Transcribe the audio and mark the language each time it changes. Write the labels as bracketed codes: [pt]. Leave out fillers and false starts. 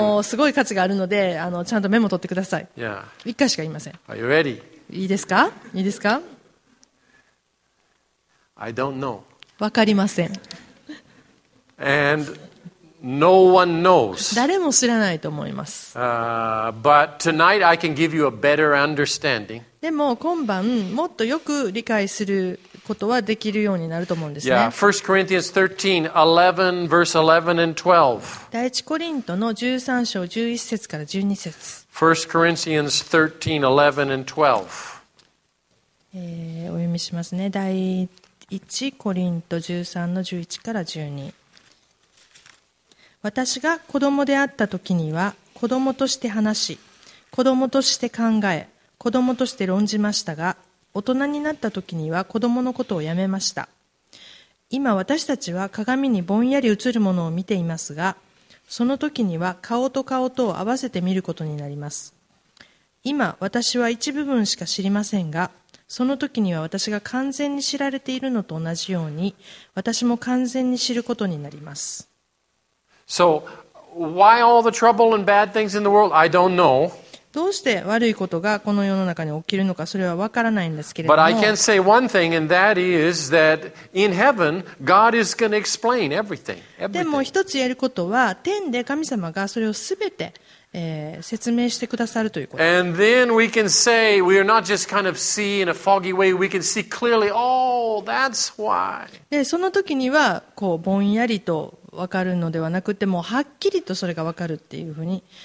[ja] もうすごい価値があるので、ちゃんとメモ取ってください。 [en] Yeah. [ja] 一回しか言いません。 [en] Are you ready? [ja] いいですか？いいですか？ [en] I don't know. [ja] わかりません。 [en] And no one knows. [ja] 誰も知らないと思います。 [en] But tonight I can give you a better understanding. [ja] でも今晩もっとよく理解することはできるようになると思うんですね。 [en] Yeah, 1 Corinthians 13, 11, verse 11 and 12. [ja] 第1コリントの13章11節から12節。 [en] 1 Corinthians 13, 11 and 12. [ja] お読みしますね。第1コリント13の11から12。私が子供であった時には、子供として話し、子供として考え、子供として論じましたが、大人になった時には子供のことをやめました。今私たちは鏡にぼんやり映るものを見ていますが、その時には顔と顔とを合わせて見ることになります。今私は一部分しか知りませんが、その時には私が完全に知られているのと同じように、私も完全に知ることになります。 [en] So, why all the trouble and bad things in the world? I don't know. [ja] どうして悪いことがこの世の中に起きるのかそれは分からないんですけれども。 [en] But I can say one thing, and that is that in heaven, God is going to explain everything. [ja] でも一つ言えることは、天で神様がそれをすべて、説明してくださるということ。 [en] And then we can say we are not just kind of see in a foggy way, we can see clearly, oh, that's why. [ja] で、その時には、こう、ぼんやりと分かるのではなくて、もうはっきりとそれが分かるっていうふうに。